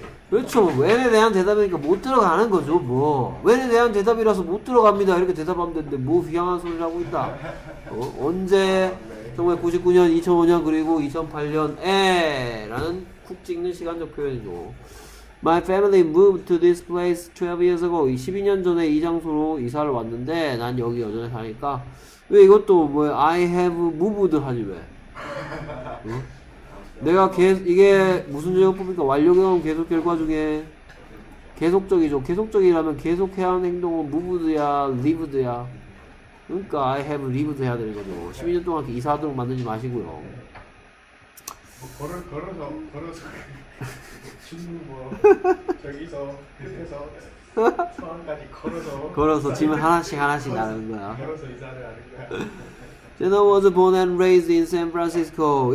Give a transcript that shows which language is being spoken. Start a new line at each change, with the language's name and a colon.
Korean: 그렇죠. 웬에 대한 대답이니까 못 들어가는 거죠. 뭐 웬에 대한 대답이라서 못 들어갑니다 이렇게 대답하면 되는데 뭐 휘황한 소리를 하고 있다. 언제 정말 99년 2005년 그리고 2008년에 라는 쿡 찍는 시간적 표현이죠.
English: My family moved to this place 12 years ago.
Korean: 12년 전에 이 장소로 이사를 왔는데 난 여기 여전히 사니까 왜 이것도 뭐
English: I have moved
Korean: 하지 왜. 내가 이게 무슨 조형법입니까? 완료경험 계속 결과 중에 계속적이죠. 계속적이라면 계속해야 하는 행동은 무브드야, 리브드야. 그러니까 I have lived 해야 되는 거죠. 12년 동안 이사하도록 만들지 마시고요. 걸어서 짐을 뭐 저기서 해서 서안까지 걸어서 짐을 하나씩 나누는 거야. 걸어서 이사를 하는 거야.
English: Jenna was born and raised in San Francisco.